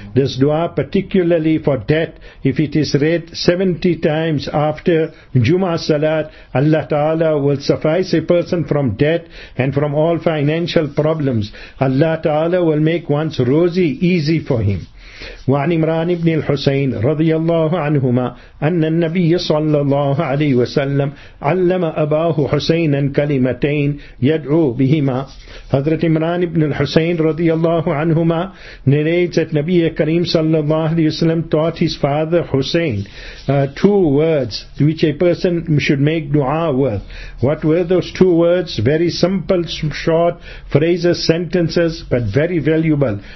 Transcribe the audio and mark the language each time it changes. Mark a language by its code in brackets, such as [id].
[en] This dua, particularly for death, if it is read 70 times after Jummah Salat, Allah Ta'ala will suffice a person from debt and from all financial problems. Allah Ta'ala will make one's rosy easy for him. [ar] وعن عمران بن الحسين رضي الله عنهما أن النبي صلى الله عليه وسلم علم أباه حسينا كلمتين يدعو بهما. [en] حضرت عمران بن الحسين [ar] رضي الله عنهما [en] narrates that نبي كريم [ar] صلى الله عليه وسلم [en] taught his father Hussein two words which a person should make dua with. What were those two words? Very simple, short phrases, sentences, but very valuable.